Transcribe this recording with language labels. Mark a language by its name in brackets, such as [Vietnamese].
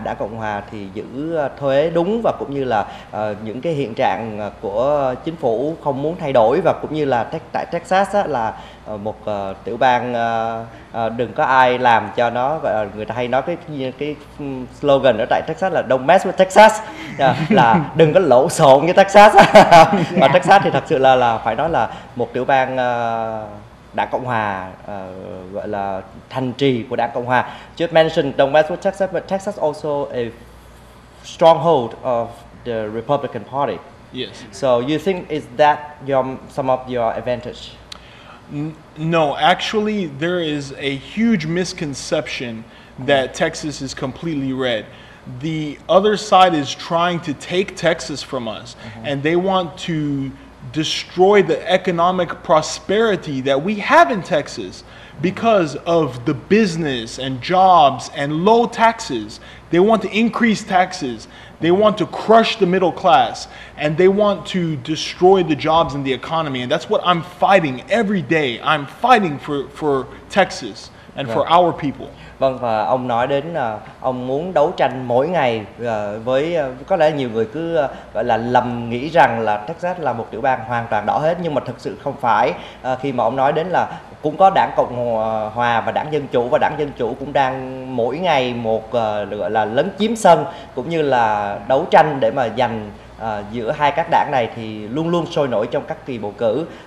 [Vietnamese] Đảng Cộng Hòa thì giữ thuế đúng, và cũng như là những cái hiện trạng của chính phủ không muốn thay đổi, và cũng như là tại Texas á, là một tiểu bang đừng có ai làm cho nó, gọi là người ta hay nói cái slogan ở tại Texas là [English] don't mess with Texas, [Vietnamese] là đừng có lộn xộn với Texas. Và Texas thì thật sự là phải nói là một tiểu bang Đảng Cộng Hòa, gọi là thành trì của Đảng Cộng Hòa. [English] Just mention don't mess with Texas, but Texas also a stronghold of the Republican Party. Yes. So you think is that some of your advantage? No, actually there is a huge misconception that Texas is completely red. The other side is trying to take Texas from us, and they want to destroy the economic prosperity that we have in Texas because of the business and jobs and low taxes. They want to increase taxes. They want to crush the middle class, and they want to destroy the jobs and the economy. And that's what I'm fighting every day. I'm fighting for Texas and for our people. [Vietnamese] Vâng, và ông nói đến ông muốn đấu tranh mỗi ngày với có lẽ nhiều người cứ gọi là lầm nghĩ rằng là Texas là một tiểu bang hoàn toàn đỏ hết, nhưng mà thực sự không phải. Khi mà ông nói đến là cũng có đảng Cộng Hòa và đảng Dân Chủ cũng đang mỗi ngày một gọi là lấn chiếm sân, cũng như là đấu tranh để mà giành giữa hai các đảng này thì luôn luôn sôi nổi trong các kỳ bầu cử.